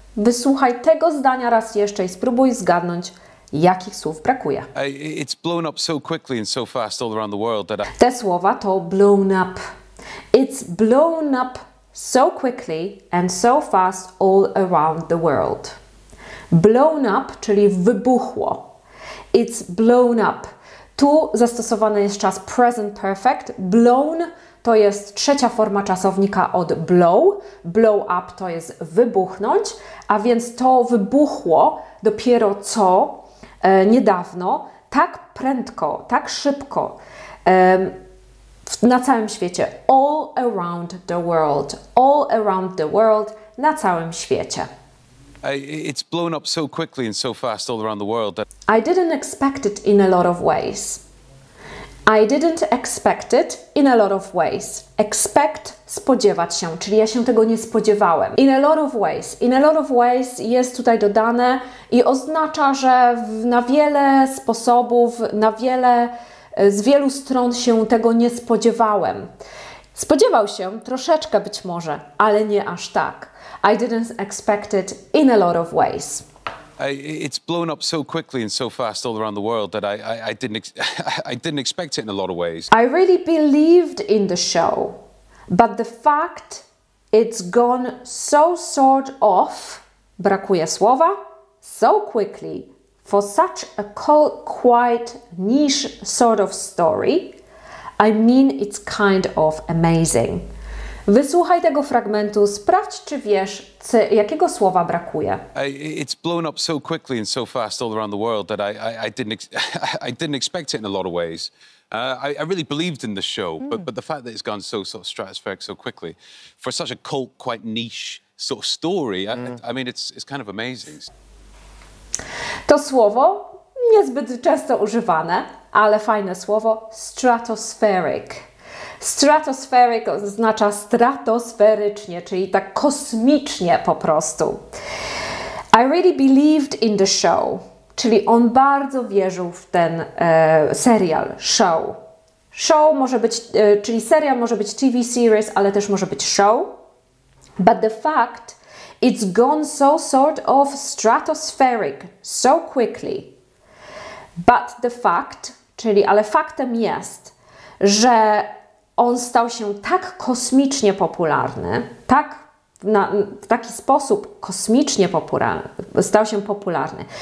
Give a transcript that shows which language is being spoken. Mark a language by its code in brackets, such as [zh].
[pl] Wysłuchaj tego zdania raz jeszcze i spróbuj zgadnąć, jakich słów brakuje. [en] It's blown up so quickly and so fast all around the world that [pl] Te słowa to blown up. [en] It's blown up so quickly and so fast all around the world. Blown up, [pl] czyli wybuchło. [en] It's blown up. [pl] Tu zastosowany jest czas present perfect. Blown to jest trzecia forma czasownika od blow. Blow up to jest wybuchnąć, a więc to wybuchło dopiero co, niedawno, tak prędko, tak szybko, na całym świecie. [en] All around the world. All around the world, [pl] na całym świecie. [en] It's blown up so quickly and so fast all around the world. I didn't expect it in a lot of ways. I didn't expect it in a lot of ways. [pl] Expect, spodziewać się, czyli ja się tego nie spodziewałem. [en] In a lot of ways. [pl] In a lot of ways jest tutaj dodane i oznacza, że na wiele sposobów, na wiele, z wielu stron się tego nie spodziewałem. Spodziewał się troszeczkę być może, ale nie aż tak. [en] I didn't expect it in a lot of ways. It's blown up so quickly and so fast all around the world that I didn't expect it in a lot of ways. I really believed in the show, but the fact it's gone so sort of, [pl] brakuje słowa, [en] so quickly, for such a quite niche sort of story, I mean it's kind of amazing. [pl] Wysłuchaj tego fragmentu, sprawdź, czy wiesz, jakiego słowa brakuje. [en] It's blown up so quickly and so fast all around the world that I didn't expect it in a lot of ways. I really believed in the show, but the fact that it's gone so sort of stratospheric so quickly for such a cult, quite niche sort of story, I mean, it's kind of amazing. [pl] To słowo niezbyt często używane, ale fajne słowo, stratospheric. Stratospheric oznacza stratosferycznie, czyli tak kosmicznie po prostu. [en] I really believed in the show, [pl] czyli on bardzo wierzył w ten serial, show. Show może być, czyli serial może być TV series, ale też może być show. [en] But the fact it's gone so sort of stratospheric, so quickly. But the fact, [pl] czyli ale faktem jest, że on stał się tak kosmicznie popularny, tak w taki sposób kosmicznie popularny, stał się popularny.